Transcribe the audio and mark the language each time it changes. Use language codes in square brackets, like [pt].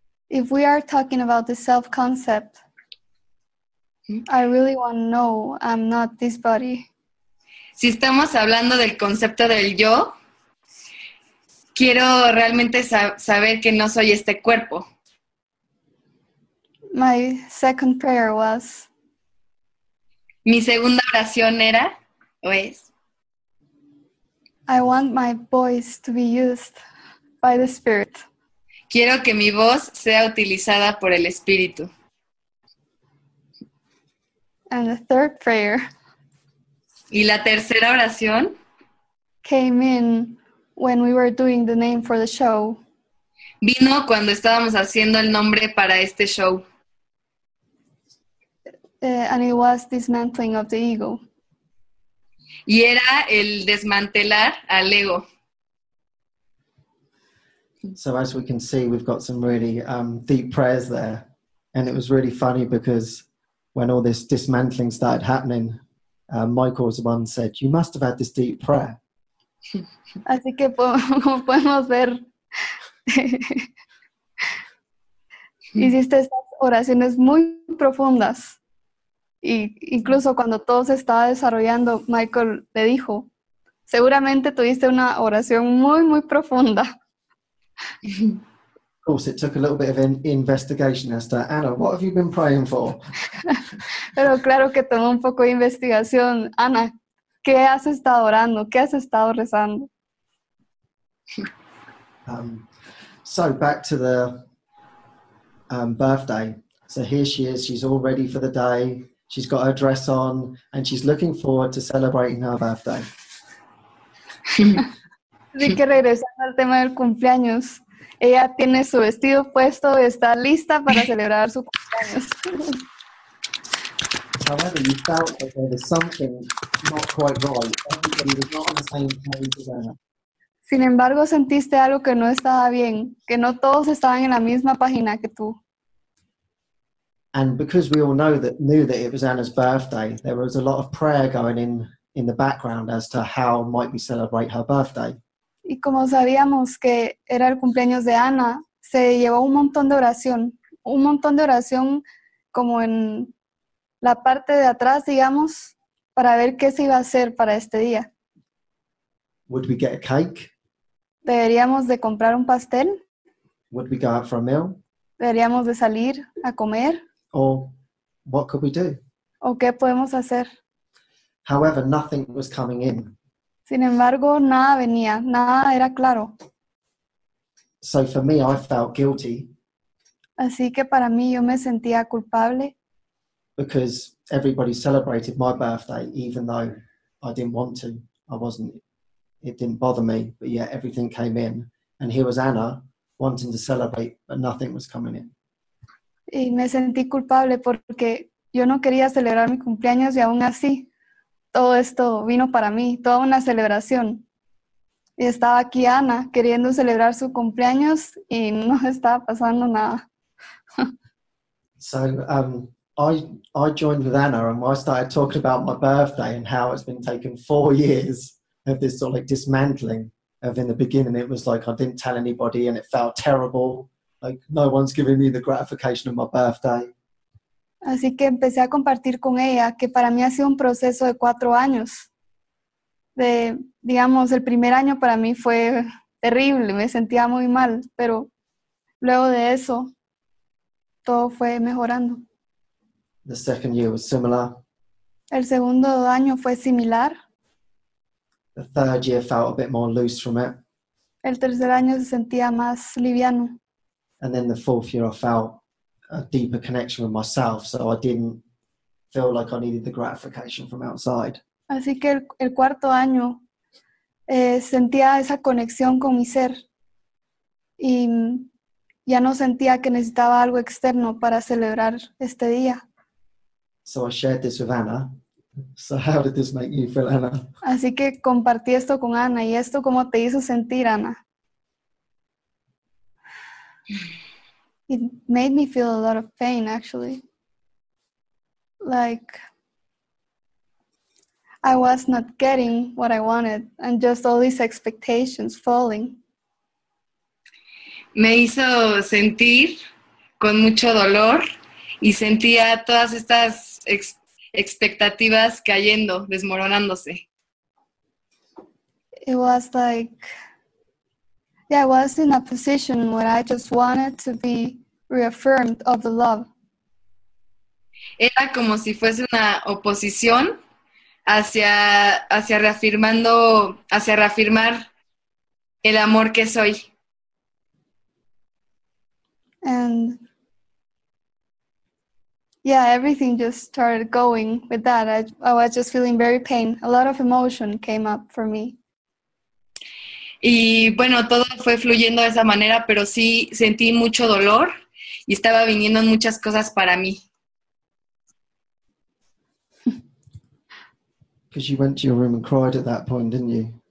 [en] If we are talking about the self-concept, I really want to know I'm not this body. [es] Si estamos hablando del concepto del yo, quiero realmente saber que no soy este cuerpo. [en] My second prayer was... [es] Mi segunda oración era, o es... [en] I want my voice to be used by the Spirit. [es] Quiero que mi voz sea utilizada por el Espíritu. [en] And the third prayer. [es] ¿Y la tercera oración? [en] Came in when we were doing the name for the show. [es] Vino cuando estábamos haciendo el nombre para este show. [en] And it was dismantling of the ego. [es] Y era el desmantelar al ego. [en] So as we can see, we've got some really deep prayers there. And it was really funny because when all this dismantling started happening, Michael was the one who said, you must have had this deep prayer. [es] Así que podemos ver. Hiciste estas oraciones muy profundas. Y incluso cuando todo se estaba desarrollando, Michael le dijo, seguramente tuviste una oración muy, muy profunda. [en] Of course, it took a little bit of an investigation as to, Anna, what have you been praying for? [es] Pero claro que tomó un poco de investigación. Ana, ¿qué has estado orando? ¿Qué has estado rezando? [en] So back to the birthday. So here she is, she's all ready for the day. She's got her dress on and she's looking forward to celebrating her birthday. [es] Así que regresando al tema del cumpleaños, ella tiene su vestido puesto y está lista para celebrar su cumpleaños. [en] However, you felt that there was something not quite right. Everybody was not on the same page as Anna. [es] Sin embargo, sentiste algo que no estaba bien, que no todos estaban en la misma página que tú. [en] And because we all knew that it was Anna's birthday, there was a lot of prayer going in the background as to how might we celebrate her birthday. [es] Y como sabíamos que era el cumpleaños de Ana, se llevó un montón de oración como en la parte de atrás, digamos, para ver qué se iba a hacer para este día. [en] Would we get a cake? [es] ¿Deberíamos de comprar un pastel? [en] Would we go out for a meal? [es] ¿Deberíamos de salir a comer? [en] Or what could we do? [es] ¿O qué podemos hacer? [en] However, nothing was coming in. [es] Sin embargo, nada venía, nada era claro. [en] So for me, I felt guilty. [es] Así que para mí, yo me sentía culpable. [en] Because everybody celebrated my birthday, even though I didn't want to. It didn't bother me, but yet everything came in. And here was Anna, wanting to celebrate, but nothing was coming in. [es] Y me sentí culpable porque yo no quería celebrar mi cumpleaños y aún así. Todo esto vino para mí, toda una celebración. Y estaba aquí Ana queriendo celebrar su cumpleaños y no estaba pasando nada. [en] So I joined with Anna and I started talking about my birthday and how it's been taken 4 years of this sort of like dismantling of in the beginning. It was like I didn't tell anybody and it felt terrible. Like no one's giving me the gratification of my birthday. [es] Así que empecé a compartir con ella que para mí ha sido un proceso de 4 años. De, digamos, el primer año para mí fue terrible, me sentía muy mal, pero luego de eso, todo fue mejorando. [en] The second year was similar. [es] El segundo año fue similar. [en] The third year felt a bit more loose from it. [es] El tercer año se sentía más liviano. [en] And then the fourth year I felt a deeper connection with myself, so I didn't feel like I needed the gratification from outside. [es] Así que el cuarto año sentía esa conexión con mi ser y ya no sentía que necesitaba algo externo para celebrar este día. [en] So I shared this with Anna. So how did this make you feel, Anna? [es] Así que compartí esto con Ana y esto cómo te hizo sentir, Ana. [en] It made me feel a lot of pain, actually. Like, I was not getting what I wanted and just all these expectations falling. [es] Me hizo sentir con mucho dolor y sentía todas estas expectativas cayendo, desmoronándose. [en] It was like, yeah, I was in a position where I just wanted to be reaffirmed of the love. [es] Era como si fuese una oposición hacia reafirmar el amor que soy. [en] And Yeah, everything just started going with that. I was just feeling very pain. A lot of emotion came up for me. [es] Y bueno, todo fue fluyendo de esa manera, pero sí sentí mucho dolor y estaba viniendo muchas cosas para mí. [en] Because you went to your room and cried at that point, didn't you?